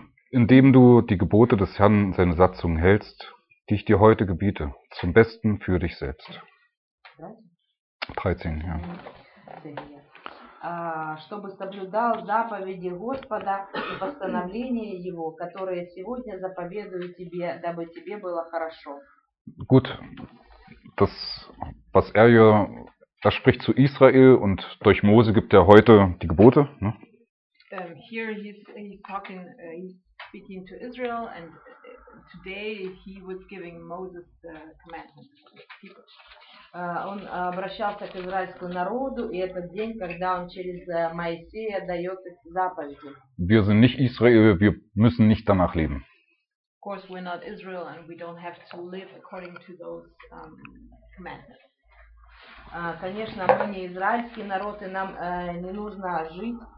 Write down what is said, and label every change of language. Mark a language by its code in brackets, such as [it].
[de] Indem du die Gebote des Herrn und seine Satzungen hältst, die ich dir heute gebiete, zum Besten für dich selbst. 13, ja. [ru] Чтобы соблюдал заповеди Господа и постановления Его, которые сегодня заповедую тебе, дабы тебе было хорошо. [de] Gut, das, was hier, das spricht zu Israel und durch Mose gibt heute die Gebote. Ne? [en] Here he's speaking to Israel and today he was giving Moses the commandments to the people. [ru] Он обращался к израильскому народу, и этот день, когда он через Моисея дает их заповеди. [de] Wir sind nicht Israel, wir müssen nicht danach leben. [en] Of course, we're not Israel, and we don't have to live according to those commandments. [ru] Конечно, мы не израильский народ, и нам не нужно жить.